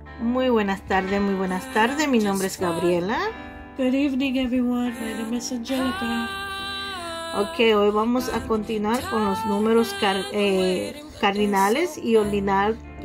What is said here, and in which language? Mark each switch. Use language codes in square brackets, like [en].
[es] Muy buenas tardes, muy buenas tardes. Mi nombre es Gabriela. [en] Good evening, everyone. My name is Angelica. [es] Ok, hoy vamos a continuar con los números cardinales y ordinales.